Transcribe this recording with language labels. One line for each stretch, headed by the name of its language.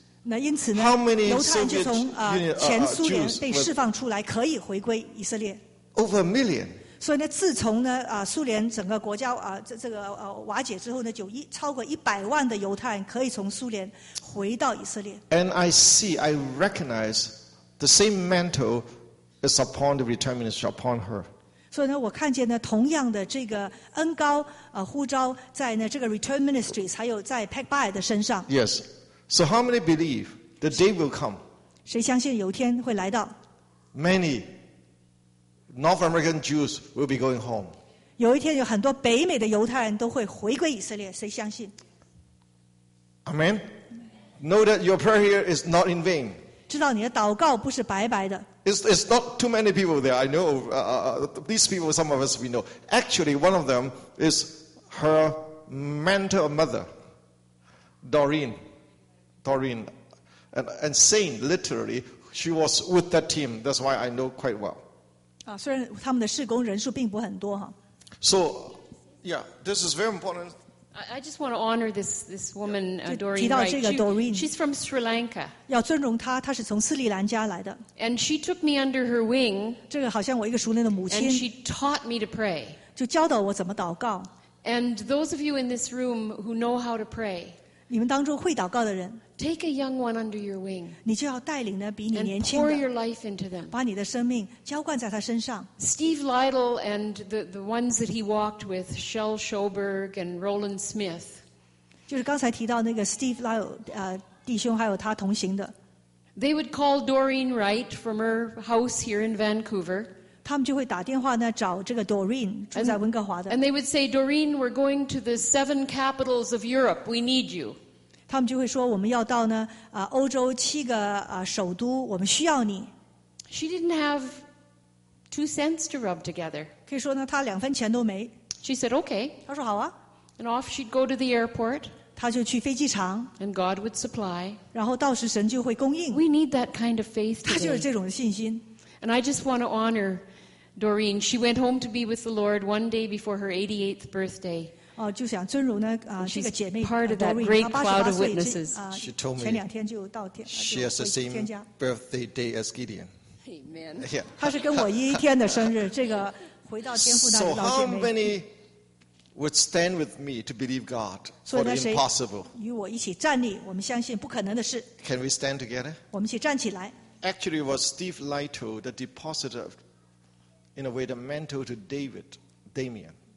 Chinese: 那因此呢，犹太人就从前苏联被释放出来，可以回归以色列。
English: Over a million。
Chinese: 所以呢，自从呢苏联整个国家瓦解之后呢，就超过100万的犹太人可以从苏联回到以色列。
English: And I recognize the same mantle is upon the return ministry upon her.
Chinese: 所以呢，我看见呢，同样的这个恩膏呼召在呢这个 return ministry 还有在 Peg Bai 的身上。
English: Yes. So how many believe the day will come?
Chinese: 谁相信有一天会来到？
English: Many North American Jews will be going home.
Chinese: 有一天有很多北美的犹太人都会回归以色列，谁相信？
English: Amen. Know that your prayer here is not in vain.
Chinese: 知道你的祷告不是白白的。
English: It's not too many people there. I know these people, some of us we know. Actually, one of them is her mentor mother, Doreen, and saying literally, she was with that team. That's why I know quite well.
Chinese: 虽然他们的事工人数并不很多哈。
English: So, yeah, this is very important. I just want to honor this woman, Doreen.
Chinese: 提到这个 Doreen,
English: she's from Sri Lanka.
Chinese: 要尊荣她，她是从斯里兰加来的。
English: And she took me under her wing.
Chinese: 这个好像我一个熟练的母亲。
English: And she taught me to pray.
Chinese: 就教导我怎么祷告。
English: And those of you in this room who know how to pray.
Chinese: 你们当中会祷告的人
English: ，Take a young one under your wing，
Chinese: 你就要带领呢比你年轻的
English: ，and pour your life into them，
Chinese: 把你的生命浇灌在他身上。
English: Steve Lytle and the ones that he walked with, Shel Schoberg and Roland Smith，
Chinese: 就是刚才提到那个 Steve Lytle 弟兄还有他同行的
English: ，They would call Doreen Wright from her house here in Vancouver，
Chinese: 他们就会打电话呢找这个 Doreen 住在温哥华的
English: ，and they would say Doreen, we're going to the seven capitals of Europe, we need you。
Chinese: 他们就会说我们要到呢欧洲七个首都，我们需要你。
English: She didn't have two cents to rub together。
Chinese: 可以说呢，她两分钱都没。
English: She said okay。
Chinese: 她说好啊。
English: And off she'd go to the airport。
Chinese: 她就去飞机场。
English: And God would supply。
Chinese: 然后到时神就会供应。
English: We need that kind of faith today。
Chinese: 她就是这种信心。
English: And I just want to honor Doreen. She went home to be with the Lord one day before her 88th birthday.
Chinese: 就想尊荣呢这个姐妹
English: part of that great cloud of witnesses. She told me
Chinese: 前两天就到天
English: She has the same birthday day as Gideon. Amen.
Chinese: 她是跟我一天的生日，这个回到天父那里的老姐妹。
English: So how many would stand with me to believe God for the impossible.
Chinese: 与我一起站立，我们相信不可能的事。
English: Can we stand together?
Chinese: 我们一起站起来。
English: Actually, it was Steve Lito, the depositor, in a way, the mentor to David, Damien.